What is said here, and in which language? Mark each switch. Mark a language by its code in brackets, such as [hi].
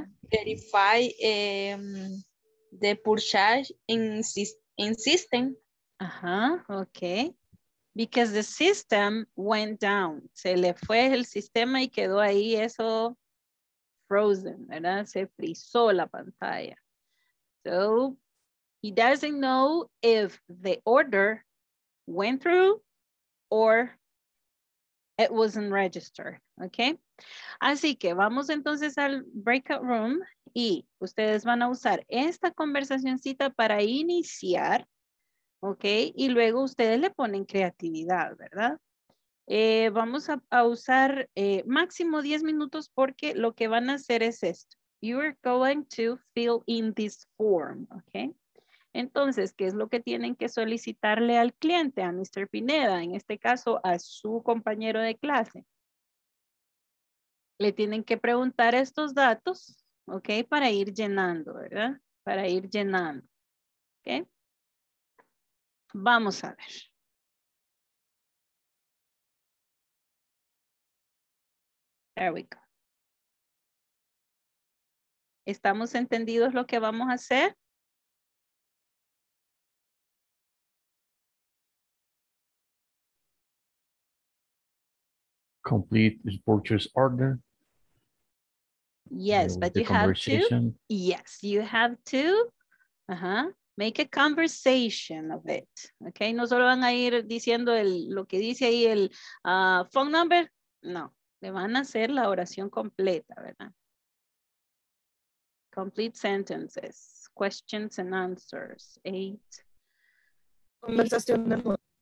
[en] verify the purchase in system okay Because the system went down. [es] Se le fue el sistema y quedó ahí eso frozen, ¿verdad? Se frizó la pantalla. [en] So he doesn't know if the order went through or it wasn't registered, okay? [es] Así que vamos entonces al breakout room y ustedes van a usar esta conversacioncita para iniciar, okay? Y luego ustedes le ponen creatividad, ¿verdad? Vamos a usar máximo 10 minutos porque lo que van a hacer es esto. [en] You are going to fill in this form, okay? [es] Entonces, ¿qué es lo que tienen que solicitarle al cliente, a Mr. Pineda? En este caso, a su compañero de clase. Le tienen que preguntar estos datos, ¿ok? Para ir llenando, ¿verdad? Para ir llenando, ¿ok? Vamos a ver. [en] There we go. [es] ¿Estamos entendidos lo que vamos a hacer? [en] Complete the purchase order. Yes, but you have to. Yes, you have to make a conversation of it. [es] Okay, no solo van a ir diciendo el, lo que dice ahí el phone number. No, le van a hacer la oración completa, ¿verdad? [en] Complete sentences, questions and answers. 8. [es] Conversación de nuevo.